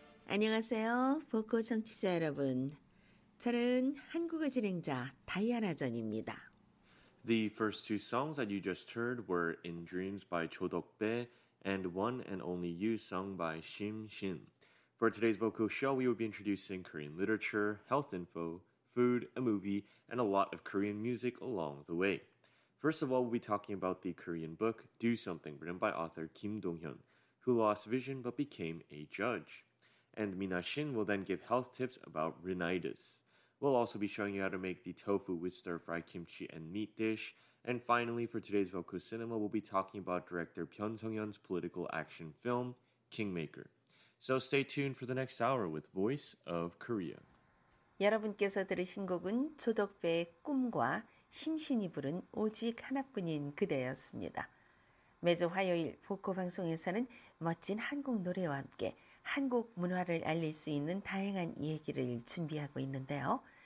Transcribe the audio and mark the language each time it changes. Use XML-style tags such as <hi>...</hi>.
<ko>안녕하세요, 보코 청취자 여러분. 저는 한국어 진행자 다이아나 전입니다.</ko> <en>The first two songs that you just heard were In Dreams by Cho Dok-bae and One and Only You sung by Shim Shin. For today's Voco show, we will be introducing Korean literature, health info, food, a movie, and a lot of Korean music along the way. First of all, we'll be talking about the Korean book, Do Something, written by author Kim Dong-hyun, who lost vision but became a judge. And Mina Shin will then give health tips about rhinitis. We'll also be showing you how to make the tofu with stir-fried kimchi and meat dish. And finally, for today's Voco Cinema, we'll be talking about director Byun Sung-hyun's political action film, Kingmaker. So stay tuned for the next hour with Voice of Korea.</en> <ko>여러분께서 들으신 곡은 조덕배의 꿈과 심신이 부른 오직 하나뿐인 그대였습니다. 매주 화요일 보코 방송에서는 멋진 한국 노래와 함께 한국 문화를 알릴 수 있는 다양한 얘기를 준비하고 있는데요.</ko>